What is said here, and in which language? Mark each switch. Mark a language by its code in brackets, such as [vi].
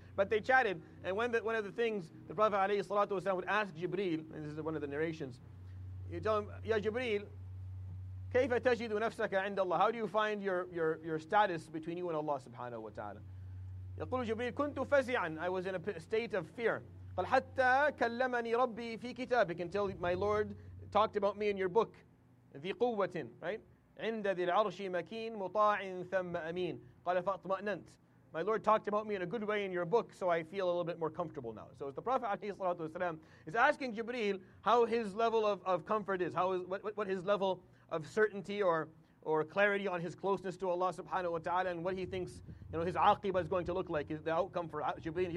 [en] But they chatted, and one of the things the Prophet alayhi salatu wasalam would ask Jibreel, and this is one of the narrations, you tell him, Ya Jibreel, [ar] kayfa tajidu nafsaka inda Allah? [en] How do you find your status between you and Allah subhanahu wa ta'ala? [ar] يقول جبريل كنت فزعاً. [en] I was in a state of fear. [ar] قال حتى كلمني ربي في كتابك, [en] until my Lord talked about me in your book. [ar] ذي قوة, right? عند ذي العرش مكين مطاع ثم أمين. قال فاطمأننت. [en] My Lord talked about me in a good way in your book, so I feel a little bit more comfortable now. So the Prophet عليه الصلاة والسلام is asking Jibreel how his level of comfort is, what his level of certainty or clarity on his closeness to Allah subhanahu wa ta'ala, and what he thinks, you know, his aqibah is going to look like, the outcome for Jibreel.